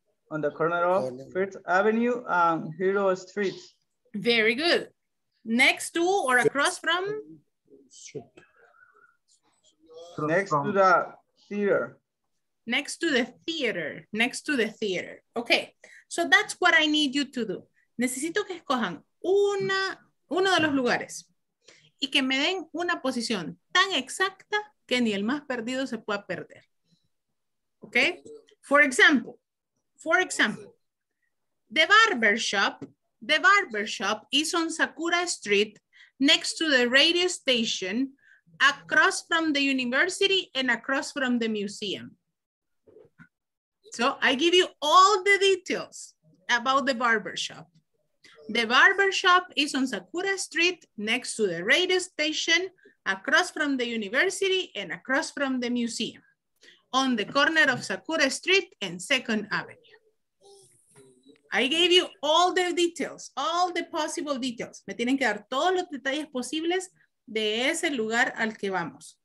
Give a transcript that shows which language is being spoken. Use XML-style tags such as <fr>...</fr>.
<en>On the corner of Fifth Avenue and Hero Street. Very good. Next to or across from? Next to the theater. Next to the theater. Next to the theater. Okay. So that's what I need you to do.</en> <es>Necesito que escojan uno de los lugares y que me den una posición tan exacta que ni el más perdido se pueda perder.</es> <en>Okay? For example, the barbershop is on Sakura Street next to the radio station, across from the university and across from the museum. So I give you all the details about the barbershop. The barbershop is on Sakura Street next to the radio station, across from the university and across from the museum, on the corner of Sakura Street and Second Avenue. I gave you all the details, all the possible details.</en> <es>Me tienen que dar todos los detalles posibles de ese lugar al que vamos.</es>